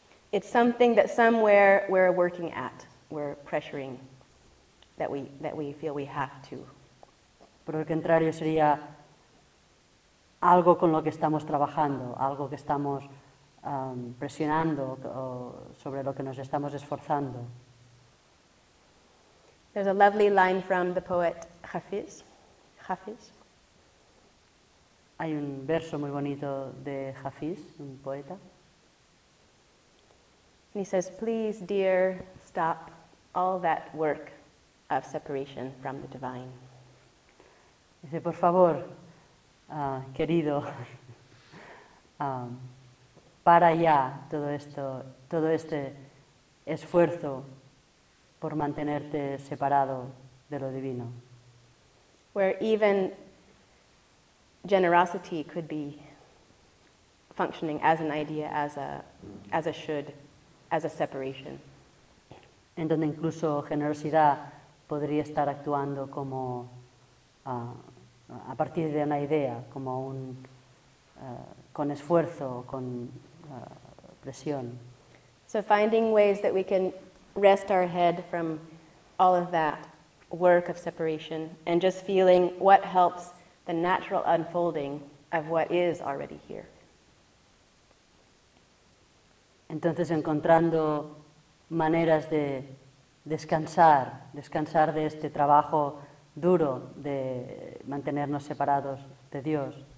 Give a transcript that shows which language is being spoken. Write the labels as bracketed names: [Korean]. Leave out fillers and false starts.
[English] It's something that somewhere we're working at, we're pressuring, that we feel we have to. [Spanish] Por el contrario, sería algo con lo que estamos trabajando, algo que estamos presionando o sobre lo que nos estamos esforzando. [English] There's a lovely line from the poet Hafiz. Hafiz. [Spanish] Hay un verso muy bonito de Hafiz, un poeta. [English] And he says, please, dear, stop all that work of separation from the divine. [Spanish] Dice, por favor, querido, para ya todo esto, todo este esfuerzo por mantenerte separado de lo divino. [English] Where even generosity could be functioning as an idea, as a should, as a separation. [Spanish] En donde incluso generosidad podría estar actuando como a partir de una idea, como un con esfuerzo, con presión. [English] So finding ways that we can rest our head from all of that work of separation and just feeling what helps the natural unfolding of what is already here. [Spanish] Entonces encontrando maneras de descansar de este trabajo duro de mantenernos separados de Dios,